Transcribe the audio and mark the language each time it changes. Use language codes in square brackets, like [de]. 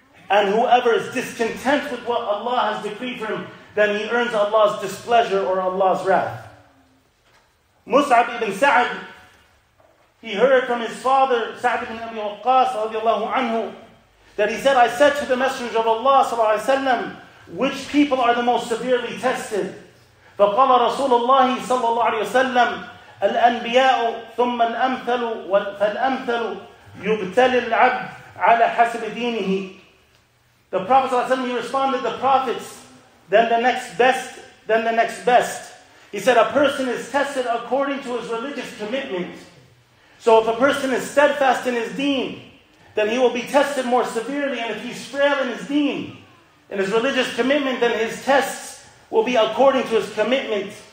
[en] And whoever is discontent with what Allah has decreed for him, then he earns Allah's displeasure or Allah's wrath. Mus'ab ibn Sa'd, he heard from his father, Sa'd ibn Abi Waqqas, radiallahu anhu, that he said, I said to the Messenger of Allah, sallallahu alayhi wa sallam, which people are the most severely tested? [ar] فَقَالَ رَسُولَ اللَّهِ صَلَّى اللَّهُ عَلَيْهِ وَسَلَّمْ الأنبياء ثم الأمثل فالأمثل يبتل العبد على حسب دينه. [en] The Prophet ﷺ, he responded, the prophets, then the next best. He said, a person is tested according to his religious commitment. So if a person is steadfast in his deen, then he will be tested more severely. And if he's frail in his deen, in his religious commitment, then his tests will be according to his commitment.